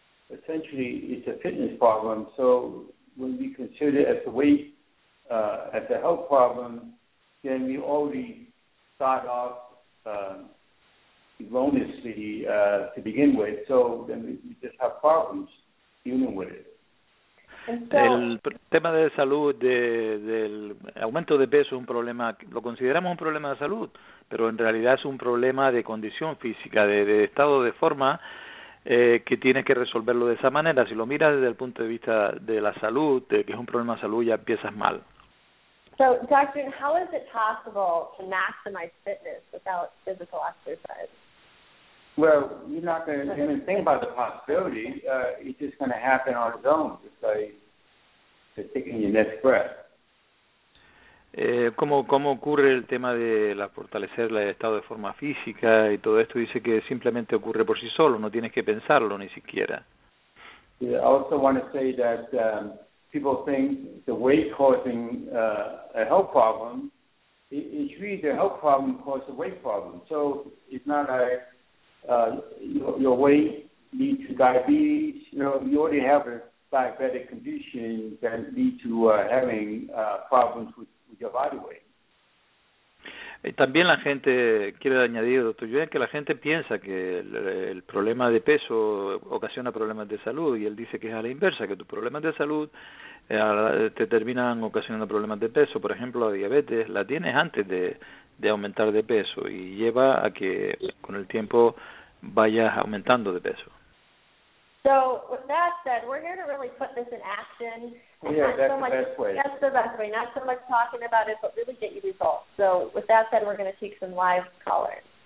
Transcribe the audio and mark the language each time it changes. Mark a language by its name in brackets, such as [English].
[English] Essentially, it's a fitness problem. So when we consider it as a weight, as a health problem, then we already start off erroneously to begin with. So then we just have problems dealing with it. [Spanish] El tema de salud, del aumento de peso es un problema, lo consideramos un problema de salud, pero en realidad es un problema de condición física, de estado de forma, que tienes que resolverlo de esa manera. Si lo miras desde el punto de vista de la salud, de que es un problema de salud, ya empiezas mal. [English] So, doctor, how is it possible to maximize fitness without physical exercise? Well, you're not going to even think about the possibility. It's just going to happen on its own, just like taking your next breath. [Spanish] ¿Cómo ocurre el tema de la fortalecer el estado de forma física y todo esto? Dice que simplemente ocurre por sí solo, no tienes que pensarlo ni siquiera. [English] Yeah, I also want to say that people think the weight causing a health problem. It's really the health problem causes the weight problem. So it's not like your weight leads to diabetes. You know, you already have a diabetic condition that leads to having problems with your body weight. [Spanish] Y también la gente, quiero añadir, doctor Yuen, que la gente piensa que el problema de peso ocasiona problemas de salud, y él dice que es a la inversa, que tus problemas de salud te terminan ocasionando problemas de peso. Por ejemplo, la diabetes la tienes antes de aumentar de peso y lleva a que con el tiempo vayas aumentando de peso. [English] So, with that said, we're here to really put this in action. That's the best way. Not so much talking about it, but really get you results. So, with that said, we're going to take some live callers.